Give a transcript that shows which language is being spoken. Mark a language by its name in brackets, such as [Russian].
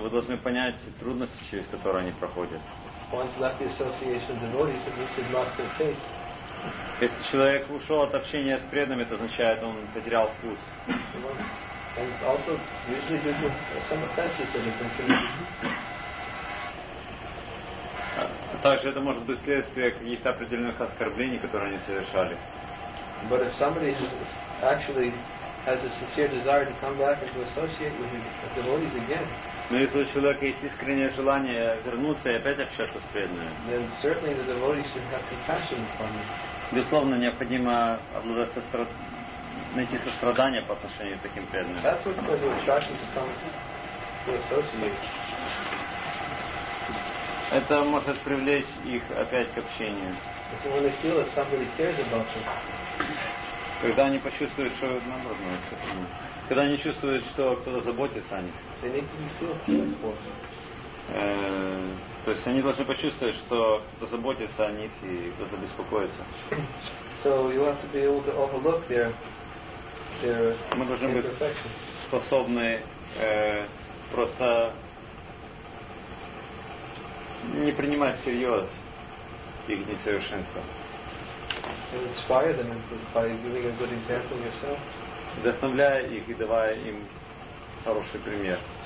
[Russian] Вы должны понять трудности, через которые они проходят. [English] Once left the association, the devotees have lost their faith. [Russian] Если человек ушел от общения с преданными, это означает, он потерял вкус. [English] And it's also usually due to some offenses that have been committed. [Russian] Также это может быть следствие каких-то определенных оскорблений, которые они совершали. [English] But if somebody actually has a sincere desire to come back and to associate with the devotees again, [Russian] но если у человека есть искреннее желание вернуться и опять общаться с преданными, [English] then certainly the devotees should have compassion upon them. [Russian] Безусловно, необходимо обладать найти сострадание по отношению к таким преданным. [English] That's what causes attraction to someone to associate. [Russian] Это может привлечь их опять к общению. [English] So when they feel that somebody cares about them. [Russian] Когда они почувствуют, что наоборот, когда они чувствуют, что кто-то заботится о них. [English] They need to feel important. [Russian] То есть они должны почувствовать, что кто-то заботится о них и кто-то беспокоится. [English] So you have to be able to overlook their imperfections. [Russian] Мы должны быть способны просто не принимать всерьез их несовершенство. [English] And inspire them by giving a good example yourself. [Russian] Вдохновляя их и давая им хороший пример.